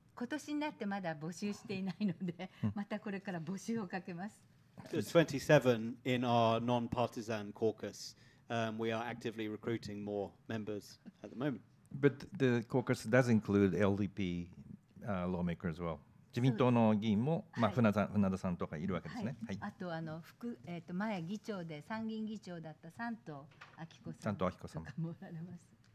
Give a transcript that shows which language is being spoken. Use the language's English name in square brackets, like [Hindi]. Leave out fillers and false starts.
[Japanese] 今年になってまだ募集していないので、またこれから募集をかけます。 [English] There's 27 in our non-partisan caucus. We are actively recruiting more members at the moment. But the caucus does include LDP lawmakers as well. [Japanese] 自民党の議員も、まあ、船田さんとかいるわけですね。はいはい、あと副、前議長で参議院議長だった三島明子さんとかもおられます。